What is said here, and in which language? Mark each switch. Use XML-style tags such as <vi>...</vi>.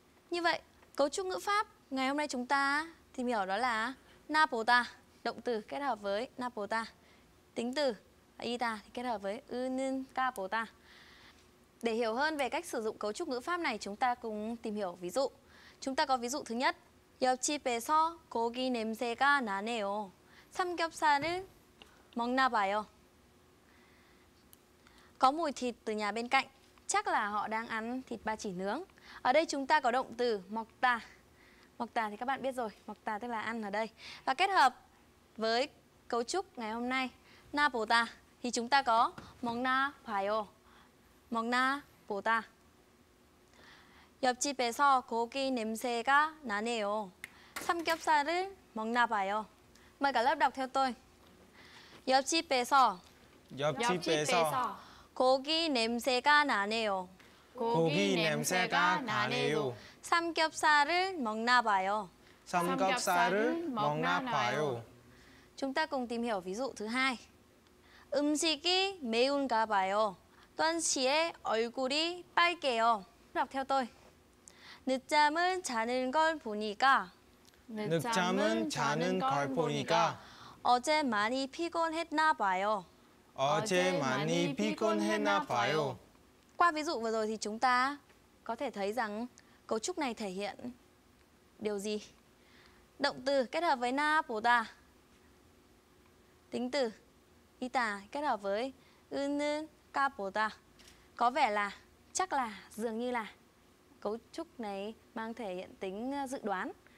<vi>Như vậy, cấu trúc ngữ pháp ngày hôm nay chúng ta tìm hiểu đó là 나보다, động từ kết hợp với 나보다, tính từ 이다 kết hợp với 은가보다. Để hiểu hơn về cách sử dụng cấu trúc ngữ pháp này, chúng ta cùng tìm hiểu ví dụ. Chúng ta có ví dụ thứ nhất.</vi> <ko>옆집에서 고기 냄새가 나네요. 삼겹살을 먹나 봐요.</ko> <vi>Có mùi thịt từ nhà bên cạnh. Chắc là họ đang ăn thịt ba chỉ nướng. Ở đây chúng ta có động từ 먹다. 먹다 thì các bạn biết rồi. 먹다 tức là ăn ở đây. Và kết hợp với cấu trúc ngày hôm nay 나보다 thì chúng ta có 먹나 봐요.</vi> <ko>먹나 보다. 옆집에서 고기 냄새가 나네요. 삼겹살을 먹나 봐요.</ko> <vi>Mời cả lớp đọc theo tôi.</vi> <ko>옆집에서 옆집에서 고기 냄새가 나네요. 고기 냄새가 나네요. 삼겹살을 먹나 봐요. 삼겹살을 먹나 봐요.</ko> <vi>Chúng ta cùng tìm hiểu ví dụ thứ hai.</vi> <ko>음식이 매운가 봐요. 또한 씨의 얼굴이 빨개요.</ko> <vi>Đọc theo tôi.</vi> <ko>늦잠을 자는 걸 보니까 늦잠은 자는 걸 보니까 어제 많이 피곤했나 봐요. 어제 많이 피곤했나 봐요.</ko> <vi>Qua ví dụ vừa rồi thì chúng ta có thể thấy rằng cấu trúc này thể hiện điều gì? Động từ kết hợp với 나보다. Tính từ 있다 kết hợp với 은은 까보다 có vẻ là chắc là dường như là cấu trúc này mang thể hiện tính dự đoán.</vi>